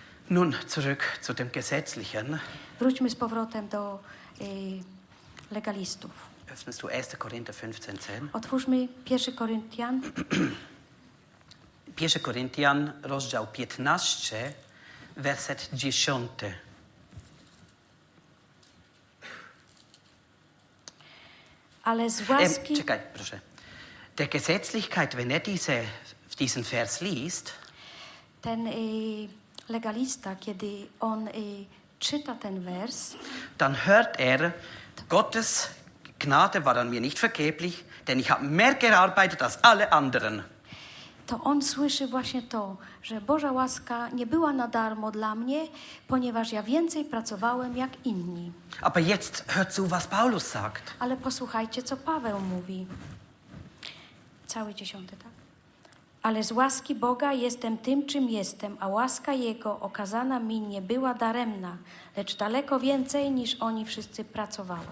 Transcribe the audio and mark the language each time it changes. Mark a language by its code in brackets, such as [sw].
[de] Nun zurück zu dem Gesetzlichen. [pl] Wróćmy z powrotem do legalistów. [de] Öffnest du 1. Korinther 15:10? [pl] Otwórzmy 1. Koryntian. 1. Koryntian, rozdział 15, werset 10. Ale z łaski... Czekaj, proszę. [de] Der Gesetzlichkeit, wenn er diesen Vers liest... [pl] Ten legalista, kiedy on czyta ten wers... [de] Dann hört er, Gottes Gnade war an mir nicht vergeblich, denn ich habe mehr gearbeitet als alle anderen. [pl] To on słyszy właśnie to, że Boża łaska nie była na darmo dla mnie, ponieważ ja więcej pracowałem jak inni. [de] Aber jetzt hört zu, was Paulus sagt. [pl] Ale posłuchajcie, co Paweł mówi. Cały 10, tak? Ale z łaski Boga jestem tym, czym jestem, a łaska Jego okazana mi nie była daremna, lecz daleko więcej niż oni wszyscy pracowali.